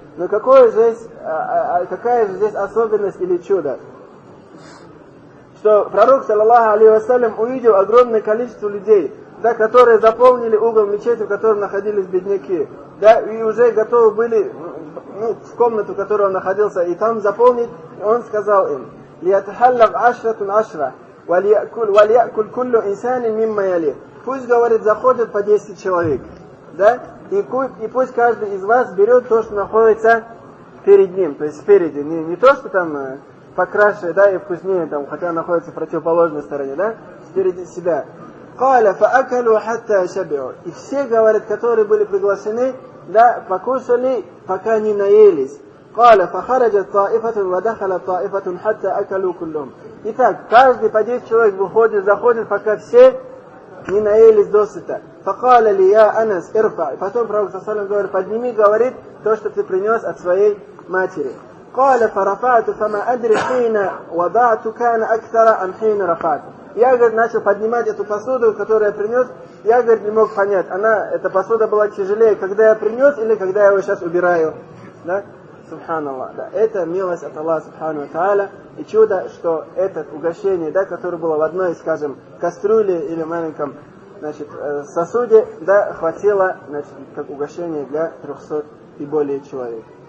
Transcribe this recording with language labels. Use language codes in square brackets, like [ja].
[ru] Но какое здесь, какая же здесь особенность или чудо? Что пророк, саллаллаху алейхи ва саллям, увидел огромное количество людей, да, которые заполнили угол мечети, в котором находились бедняки. Да, и уже готовы были, ну, в комнату, в которой он находился, и там заполнить. И он сказал им: [ar] ليتحلق عشرة عشرة وليأكل كل إنسان مما يليه. [ru] Пусть говорит заходит по 10 человек, да? И пусть каждый из вас берет то, что находится перед ним, то есть спереди, не то, что там покраше, да, и вкуснее, там, хотя находится в противоположной стороне, да, спереди себя. [ar] قال فأكلوا حتى شبعوا. [ru] И все говорят, которые были приглашены, да, покушали, пока не наелись. [ar] قال فخرجت طائفة ودخلت طائفة حتى أكلوا كلهم. [ru] Итак, каждый по 10 человек выходит, заходит, пока все не наелись досыта. [ar] فقال لي يا أنس ارفع. [ru] Потом пророк صلى الله عليه وسلم говорит, подними, говорит, то, что ты принес от своей матери. [ar] قال فرفعت فما أدري حين وضعت كان أكثر أم حين رفعت. [ru] Я, говорит, начал поднимать эту посуду, которую я принес, я, говорит, не мог понять, она, эта посуда была тяжелее, когда я принес или когда я его сейчас убираю. Да? Субханаллах. Да. Это милость от Аллаха Субхану ва Тааля. И чудо, что это угощение, да, которое было в одной, скажем, кастрюле или маленьком, значит, сосуде, да, хватило, значит, как угощение для 300 и более человек.